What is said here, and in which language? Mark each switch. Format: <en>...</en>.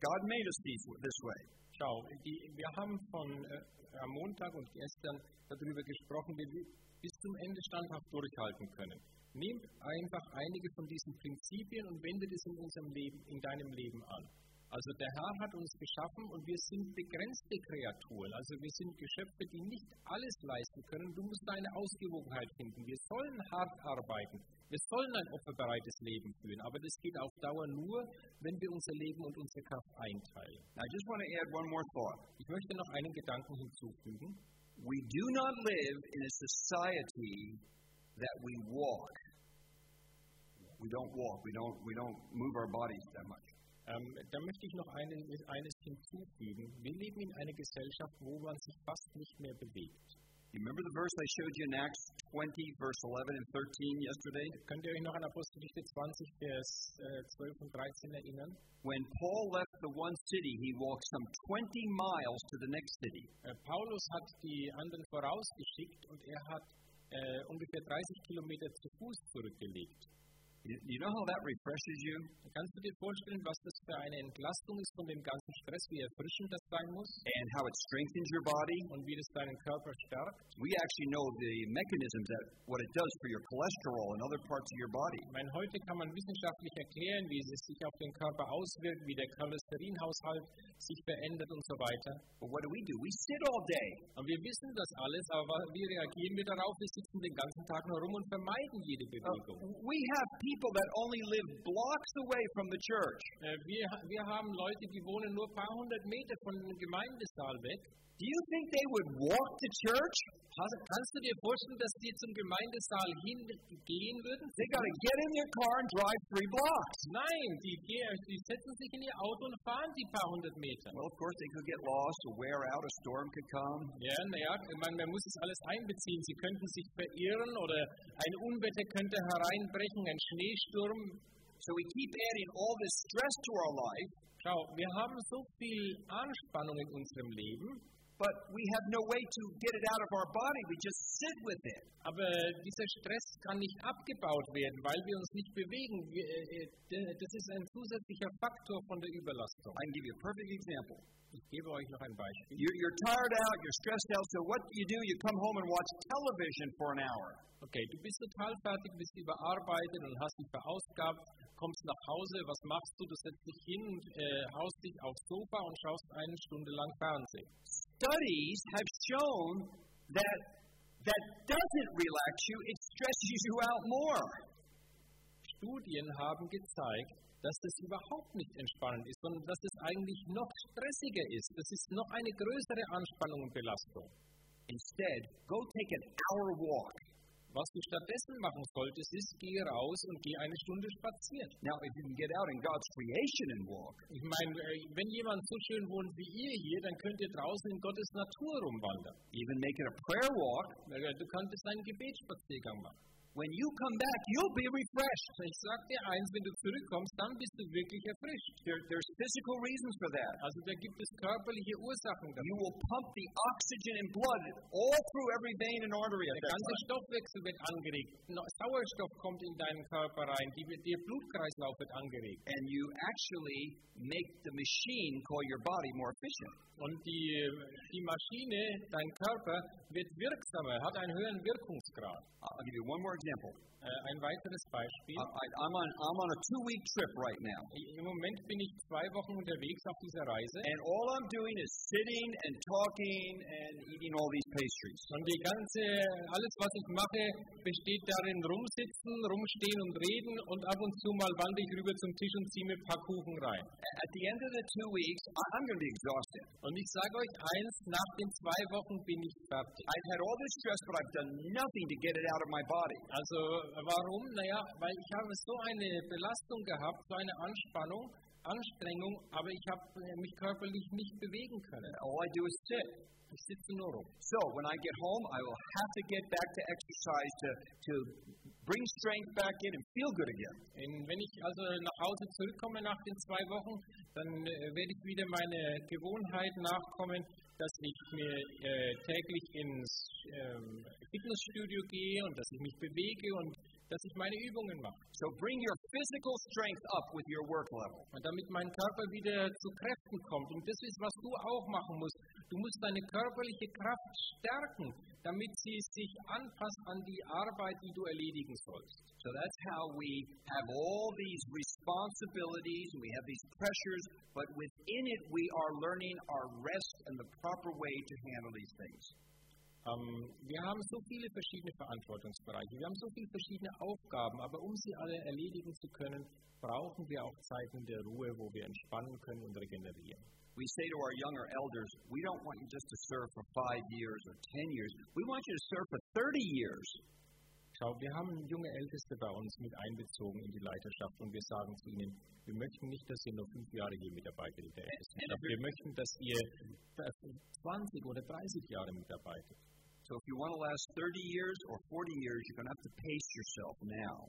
<en>God made us this way.</en> <de>Schau, wir haben von am Montag und gestern darüber gesprochen, wie wir bis zum Ende standhaft durchhalten können. Nimm einfach einige von diesen Prinzipien und wende es in deinem Leben an. Also der Herr hat uns geschaffen und wir sind begrenzte Kreaturen. Also wir sind Geschöpfe, die nicht alles leisten können. Du musst deine Ausgewogenheit finden. Wir sollen hart arbeiten. Wir sollen ein opferbereites Leben führen. Aber das geht auf Dauer nur, wenn wir unser Leben und unsere Kraft einteilen.</de> <en>Now I just want to add one more thought.</en> <de>Ich möchte noch einen Gedanken hinzufügen.</de> <en>We do not live in a society that we walk. We don't walk. We don't move our bodies that much.</en> <de>Da möchte ich noch eines hinzufügen. Wir leben in einer Gesellschaft, wo man sich fast nicht mehr bewegt.</de> <en>Remember the verse I showed you in Acts 20, verse 11 and 13 yesterday?</en> <de>Könnt ihr euch noch an Apostelgeschichte 20, Vers 12 und 13 erinnern?</de> <en>When Paul left the one city, he walked some 20 miles to the next city.</en> <de>Paulus hat die anderen vorausgeschickt und er hat ungefähr 30 Kilometer zu Fuß zurückgelegt.</de> <en>You know how that refreshes you?</en> <de>Kannst du dir vorstellen, was das für eine Entlastung ist von dem ganzen Stress, wie erfrischend das sein muss?</de> <en>And how it strengthens your body?</en> <de>Und wie das deinen Körper stärkt?</de> <en>We actually know the mechanisms that what it does for your cholesterol and other parts of your body.</en> <de>Ich meine, heute kann man wissenschaftlich erklären, wie es sich auf den Körper auswirkt, wie der Cholesterinhaushalt sich verändert und so weiter.</de> <en>But what do? We sit all day.</en> <de>Und wir wissen das alles, aber wie reagieren wir darauf? Wir sitzen den ganzen Tag nur rum und vermeiden jede Bewegung.</de> <en>We have people that only live blocks away from the church.</en> <de>Wir haben Leute, die wohnen nur ein paar hundert Meter von dem Gemeindesaal weg.</de> <en>Do you think they would walk to church?</en> <de>Kannst du dir vorstellen, dass die zum Gemeindesaal hingehen würden?</de> <en>They gotta get in their car and drive three blocks.</en> <de>Nein, die setzen sich in ihr Auto und fahren die paar hundert Meter.</de> <en>Well, of course, they could get lost or wear out. A storm could come.</en> <de>Ja, naja, man muss es alles einbeziehen. Sie könnten sich verirren oder ein Unwetter könnte hereinbrechen, ein Schneesturm.</de> <en>So we keep adding all this stress to our life.</en> <de>Schau, wir haben so viel Anspannung in unserem Leben.</de> <en>But we have no way to get it out of our body. We just sit with it.</en> <de>Aber dieser Stress kann nicht abgebaut werden, weil wir uns nicht bewegen. Das ist ein zusätzlicher Faktor von der Überlastung.</de> <en>I can give you a perfect example.</en> <de>Ich gebe euch noch ein Beispiel.</de> <en>You're tired out, you're stressed out, so what do? You come home and watch television for an hour.</en> <de>Okay, du bist total fertig, bist überarbeitet und hast dich verausgabt. Kommst nach Hause, was machst du? Du setzt dich hin und haust dich aufs Sofa und schaust eine Stunde lang Fernsehen.</de> <en>Studies have shown that that doesn't relax you, it stresses you out more.</en> <de>Studien haben gezeigt, dass das überhaupt nicht entspannend ist, sondern dass es eigentlich noch stressiger ist. Das ist noch eine größere Anspannung und Belastung.</de> <en>Instead, go take an hour walk.</en> <de>Was du stattdessen machen solltest, ist, geh raus und geh eine Stunde spazieren.</de> <en>Now, if you can get out in God's creation and walk.</en> <de>Ich meine, wenn jemand so schön wohnt wie ihr hier, dann könnt ihr draußen in Gottes Natur rumwandern.</de> <en>Even make it a prayer walk.</en> <de>Du könntest einen Gebetsspaziergang machen.</de> <en>When you come back, you'll be refreshed.</en> <de>Ich sag dir eins, wenn du zurückkommst, dann bist du wirklich erfrischt.</de> <en>There's physical reasons for that.</en> <de>Also da gibt es körperliche Ursachen dafür.</de> <en>You will pump the oxygen and blood all through every vein and artery.</en> <de>Der ganze Stoffwechsel wird angeregt. Sauerstoff kommt in deinen Körper rein. Der Blutkreislauf wird angeregt.</de> <en>And you actually make the machine call your body more efficient.</en> <de>Und die Maschine, dein Körper, wird wirksamer, hat einen höheren Wirkungsgrad.</de> <en>I'll give you one more example.</en> <de>Ein weiteres Beispiel.</de> <en>I'm on a two-week trip right now.</en> <de>Im Moment bin ich zwei Wochen unterwegs auf dieser Reise.</de> <en>And all I'm doing is sitting and talking and eating all these pastries.</en> <de>Und die ganze, alles was ich mache, besteht darin rumsitzen, rumstehen und reden und ab und zu mal wandere ich rüber zum Tisch und ziehe mir ein paar Kuchen rein.</de> <en>At the end of the 2 weeks, I'm going to be exhausted.</en> <de>Und ich sage euch eins, nach den zwei Wochen bin ich fertig.</de> <en>I've had all this stress, but I've done nothing to get it out of my body.</en> <de>Also, warum? Naja, weil ich habe so eine Belastung gehabt, so eine Anspannung, Anstrengung, aber ich habe mich körperlich nicht bewegen können.</de> <en>All I do is sit.</en> <de>Ich sitze nur rum.</de> <en>So, when I get home, I will have to get back to exercise to bring strength back in and feel good again.</en> <de>Und wenn ich also nach Hause zurückkomme nach den zwei Wochen, dann werde ich wieder meine Gewohnheit nachkommen, dass ich mir täglich ins Fitnessstudio gehe und dass ich mich bewege und dass ich meine Übungen mache.</de> <en>So bring your physical strength up with your work level.</en> <de>Und damit mein Körper wieder zu Kräften kommt. Und das ist, was du auch machen musst. Du musst deine körperliche Kraft stärken. damit sie sich anpasst an die Arbeit, die du erledigen sollst.</de> <en>So that's how we have all these responsibilities and we have these pressures, but within it we are learning our rest and the proper way to handle these things.</en> <de>Wir haben so viele verschiedene Verantwortungsbereiche, wir haben so viele verschiedene Aufgaben, aber um sie alle erledigen zu können, brauchen wir auch Zeiten der Ruhe, wo wir entspannen können und regenerieren.</de> <en>We say to our younger elders, we don't want you just to serve for 5 years or 10 years, we want you to serve for 30 years.</en> <de>Schau, wir haben junge Älteste bei uns mit einbezogen in die Leiterschaft und wir sagen zu ihnen, wir möchten nicht, dass ihr nur 5 Jahre hier mit dabei seid. Wir möchten, dass ihr 20 oder 30 Jahre mit dabei seid.</de> <en>So if you want to last 30 years or 40 years, you're going to have to pace yourself now.</en>